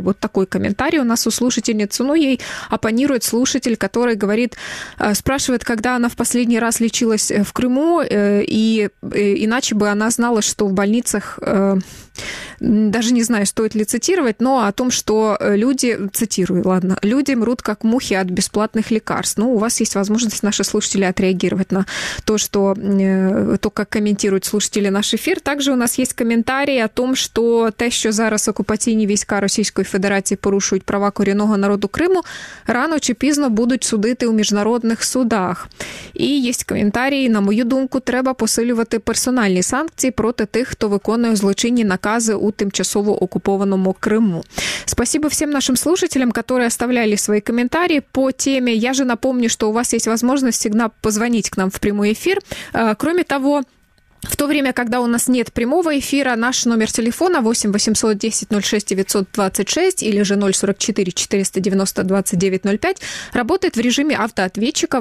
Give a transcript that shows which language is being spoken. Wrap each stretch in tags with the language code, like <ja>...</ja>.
<ru>Вот такой комментарий у нас у слушательницы. Ну, ей оппонирует слушатель, который говорит, спрашивает, когда она в последний раз лечилась в Крыму, и иначе бы она знала, что в больницах, даже не знаю, стоит ли цитировать, но о том, что люди, цитирую, ладно, люди мрут как мухи от бесплатных лекарств. Ну, у вас есть возможность, наши слушатели, отреагировать на то, что то, как комментируют слушатели наш эфир. Также у нас есть комментарии о том, что</ru> <uk>те, що зараз окупаційні війська Російської Федерації порушують права корінного народу Криму, рано чи пізно будуть судити у міжнародних судах. І є коментарі, на мою думку, треба посилювати персональні санкції проти тих, хто виконує злочинні накази у тимчасово окупованому Криму. Спасибо всім нашим слушателям, які оставляли свої коментарі по темі.</uk> <ru>Я же напомню, что у вас есть возможность всегда позвонить к нам в прямой эфир. Кроме того, в то время, когда у нас нет прямого эфира, наш номер телефона 8 800 10 06 926 или же 044 490 2905 работает в режиме автоответчика.</ru>